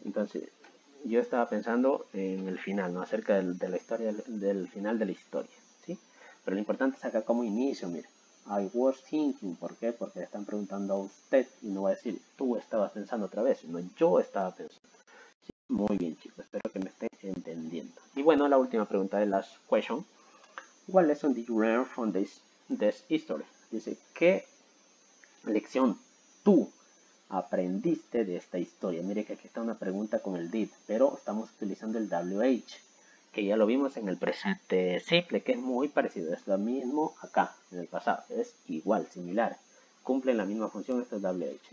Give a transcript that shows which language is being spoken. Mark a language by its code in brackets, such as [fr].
[es] Entonces, yo estaba pensando en el final, ¿no? Acerca de la historia, del final de la historia, ¿sí? Pero lo importante es acá como inicio, mire. [en] I was thinking, [es] ¿por qué? Porque le están preguntando a usted y no va a decir, tú estabas pensando otra vez, sino yo estaba pensando. ¿Sí? Muy bien, chicos, espero que me esté entendiendo. Y bueno, la última pregunta de [en] last question. What lesson did you learn from this history? [es] Dice, ¿qué lección tú aprendiste de esta historia? Mire que aquí está una pregunta con el did, pero estamos utilizando el WH, que ya lo vimos en el presente simple, que es muy parecido, es lo mismo acá, en el pasado, es igual, similar, cumplen la misma función, esto es WH.